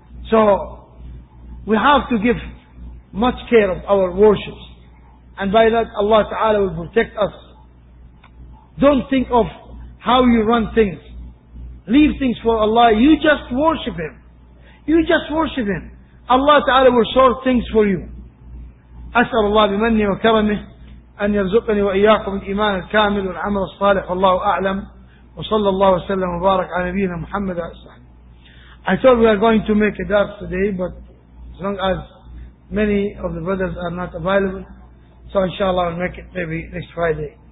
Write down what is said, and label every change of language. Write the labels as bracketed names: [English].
[English] So we have to give much care of our worship. And by that Allah Ta'ala will protect us. Don't think of how you run things. Leave things for Allah. You just worship Him. You just worship Him. Allah Ta'ala will sort things for you. [Arabic] أسأل الله بمنه وكرمه أن يرزقني وإياكم الإيمان الكامل والعمل الصالح والله أعلم وصلى الله وسلم وبارك على نبينا محمد الصحيح. [English] I thought we are going to make a dark today, but as long as many of the brothers are not available, so inshallah we'll make it maybe next Friday.